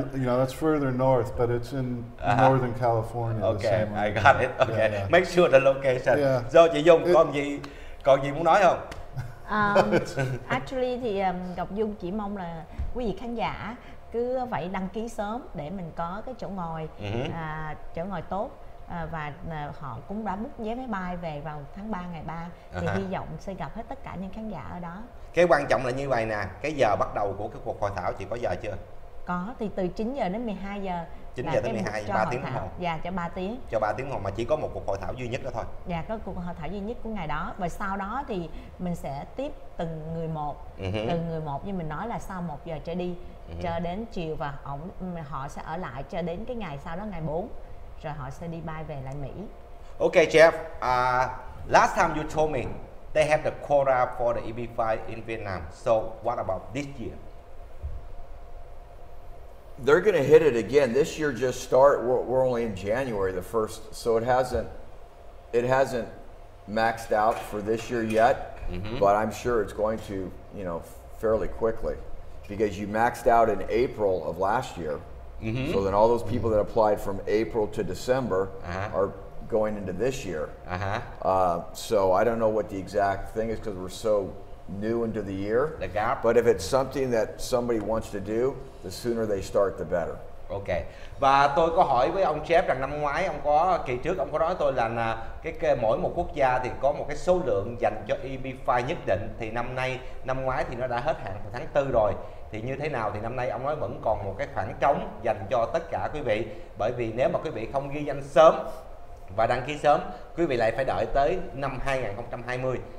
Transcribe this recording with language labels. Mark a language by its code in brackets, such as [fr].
[en] You know, that's further north, but it's in Northern California. Okay, the same I got it. Okay, yeah, yeah. Make sure the location. Yeah. [vi] So, chị Dung, còn gì muốn nói không? Actually, thì Ngọc Dung chỉ mong là quý vị khán giả cứ phải đăng ký sớm để mình có cái chỗ ngồi, chỗ ngồi tốt. Và họ cũng đã book vé máy bay về vào tháng 3 ngày 3 thì hy vọng sẽ gặp hết tất cả những khán giả ở đó. Cái quan trọng là như vậy nè, cái giờ bắt đầu của cái cuộc hội thảo chị có giờ chưa? Có, thì từ 9 giờ đến 12 giờ. 9 giờ tới 12 giờ 3 tiếng đồng hồ. Dạ, cho 3 tiếng. Cho 3 tiếng đồng hồ mà chỉ có một cuộc hội thảo duy nhất đó thôi. Dạ, có cuộc hội thảo duy nhất của ngày đó, và sau đó thì mình sẽ tiếp từng người một. Từng người một, như mình nói là sau 1 giờ trở đi cho đến chiều, và họ sẽ ở lại cho đến cái ngày sau đó, ngày 4. Rồi họ sẽ đi bay về lại Mỹ. [en] Okay, Jeff. Last time you told me they have the quota for the EB5 in Vietnam. So what about this year? They're going to hit it again. This year just started. We're only in January the first, so it hasn't maxed out for this year yet. Mm-hmm. But I'm sure it's going to, you know, fairly quickly, because you maxed out in April of last year. Mm-hmm. So then all those people that applied from April to December are going into this year. So I don't know what the exact thing is because we're so new into the year. The gap. But if it's something that somebody wants to do, the sooner they start, the better. Okay. [vi] Và tôi có hỏi với ông Jeff rằng năm ngoái ông có kỳ trước ông có nói tôi là cái mỗi một quốc gia thì có một cái số lượng dành cho EB5 nhất định, thì năm ngoái thì nó đã hết hạn tháng 4 rồi. Thì như thế nào thì năm nay ông nói vẫn còn một cái khoảng trống dành cho tất cả quý vị, bởi vì nếu mà quý vị không ghi danh sớm và đăng ký sớm, quý vị lại phải đợi tới năm 2020.